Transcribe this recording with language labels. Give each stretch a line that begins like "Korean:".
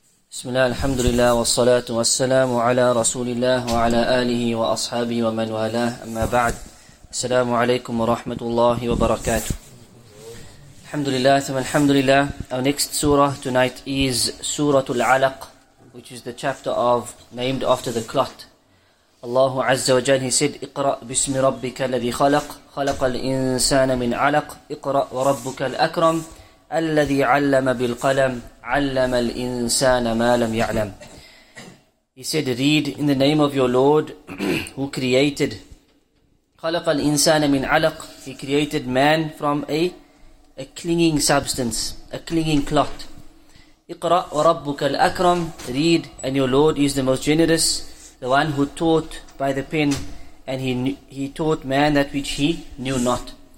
Arabic: بسم الله الحمد لله والصلاة والسلام على رسول الله وعلى آله وأصحابه ومن والاه أما بعد السلام عليكم ورحمة الله وبركاته الحمد لله ثم الحمد لله.
English: Our next surah tonight is Surah Alaq, which is the chapter of named after the clot.
Arabic: الله عز وجل
English: he said
Arabic: اقرأ بسم ربك الذي خلق خلق الإنسان من علق اقرأ وربك الأكرم الذي علم بالقلم علم الإنسان ما لم يعلم.
English: He said, read in the name of your Lord who created.
Arabic: خلق الإنسان من علق.
English: He created man from a clinging substance, a clinging clot.
Arabic: اقرأ وربك الأكرم.
English: Read, and your Lord is the most generous, the one who taught by the pen, and he taught man that which he knew not.